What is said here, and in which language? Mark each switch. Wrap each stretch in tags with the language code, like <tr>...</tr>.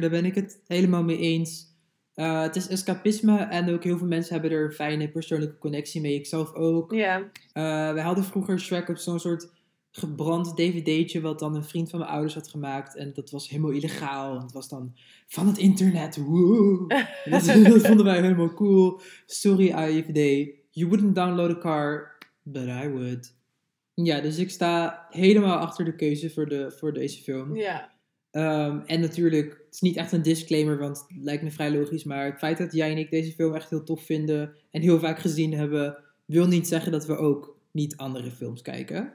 <nl>Daar ben ik het helemaal mee eens. Het is escapisme en ook heel veel mensen hebben er een fijne persoonlijke connectie mee. Ikzelf ook. Ja. We hadden vroeger Shrek op zo'n soort gebrand dvd'tje wat dan een vriend van mijn ouders had gemaakt. En dat was helemaal illegaal. Het was dan van het internet. Dat vonden wij helemaal cool. Sorry AIVD.</nl> <en>You wouldn't download a car, but I would.</en> <nl>Ja, dus ik sta helemaal achter de keuze voor deze film. Ja. En natuurlijk, het is niet echt een disclaimer, want het lijkt me vrij logisch. Maar het feit dat jij en ik deze film echt heel tof vinden en heel vaak gezien hebben, wil niet zeggen dat we ook niet andere films kijken.</nl>